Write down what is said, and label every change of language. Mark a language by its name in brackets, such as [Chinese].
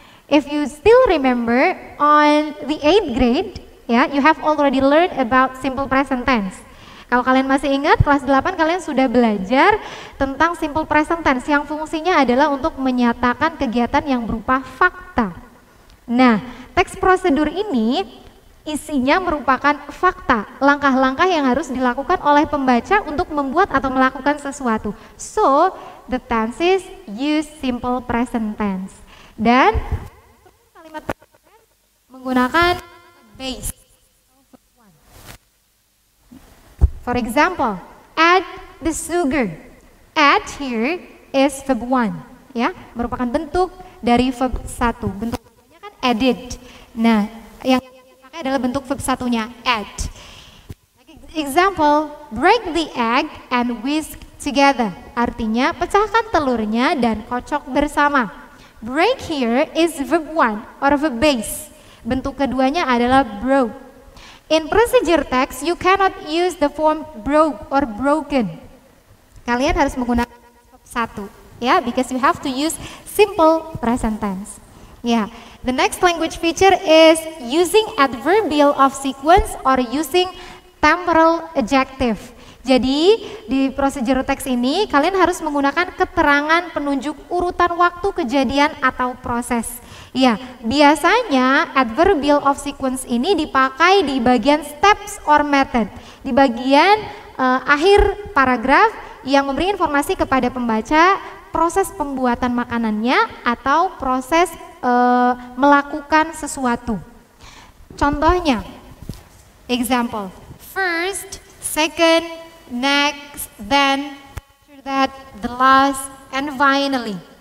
[English] If you still remember on the 8th grade, yeah, you have already learned about simple present tense. [Indonesian] Kalau kalian masih ingat, kelas 8 kalian sudah belajar tentang simple present tense yang fungsinya adalah untuk menyatakan kegiatan yang berupa fakta. Nah, text procedure ini isinya merupakan fakta, langkah-langkah yang harus dilakukan oleh pembaca untuk membuat atau melakukan sesuatu. [English] So, the tenses use simple present tense. [Indonesian] Dan kalimat menggunakan base. [English] For example, add the sugar. Add here is verb 1, [Indonesian] ya, merupakan bentuk dari verb 1. Bentuknya kan added. Nah, yang adalah bentuk verb satunya, add. [English] Example, break the egg and whisk together. [Indonesian] Artinya, pecahkan telurnya dan kocok bersama. [English] Break here is verb 1 or verb base. [Indonesian] Bentuk keduanya adalah broke. [English] In procedure text, you cannot use the form broke or broken. [Indonesian] Kalian harus menggunakan verb 1, ya, [English] because you have to use simple present tense. Yeah. The next language feature is using adverbial of sequence or using temporal adjective. [Indonesian] Jadi, di procedure text ini, kalian harus menggunakan keterangan penunjuk urutan waktu kejadian atau proses. Ya, biasanya adverbial of sequence ini dipakai di bagian [English] steps or method, [Indonesian] di bagian akhir paragraf yang memberi informasi kepada pembaca proses pembuatan makanannya atau proses melakukan sesuatu. Contohnya, [English] example, first, second, next, then, after that, the last, and finally.